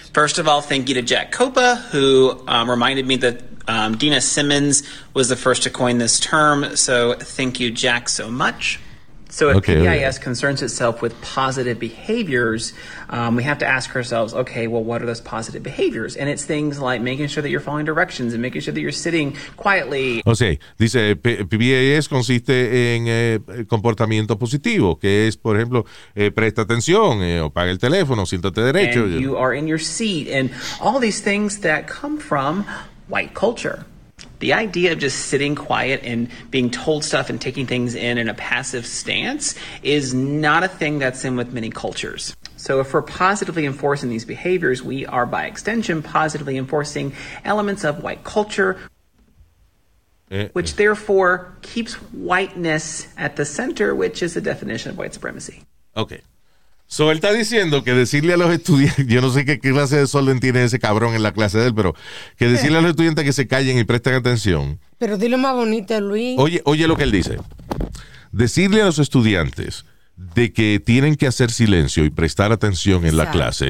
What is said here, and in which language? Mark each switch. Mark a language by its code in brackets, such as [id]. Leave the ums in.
[en] First of all, thank you to Jack Copa, who um, reminded me that um, Dina Simmons was the first to coin this term. So thank you, Jack, so much. So if okay, PBIS okay. concerns itself with positive behaviors, um, we have to ask ourselves, okay, well, what are those positive behaviors? And it's things like making sure that you're following directions and making sure that you're sitting quietly. O [es] dice PBIS consiste en comportamiento positivo, que es, por ejemplo, presta atención eh, el teléfono, siéntate derecho. [en] And you are in your seat, and all these things that come from white culture the idea of just sitting quiet and being told stuff and taking things in in a passive stance is not a thing that's in with many cultures. So, if we're positively enforcing these behaviors, we are by extension positively enforcing elements of white culture, which therefore keeps whiteness at the center, which is the definition of white supremacy. Okay, [es] So, él está diciendo que decirle a los estudiantes, yo no sé qué clase de solden tiene ese cabrón en la clase de él, pero que decirle a los estudiantes que se callen y presten atención. Pero dilo más bonito, Luis. Oye, oye lo que él dice. Decirle a los estudiantes de que tienen que hacer silencio y prestar atención en exacto, la clase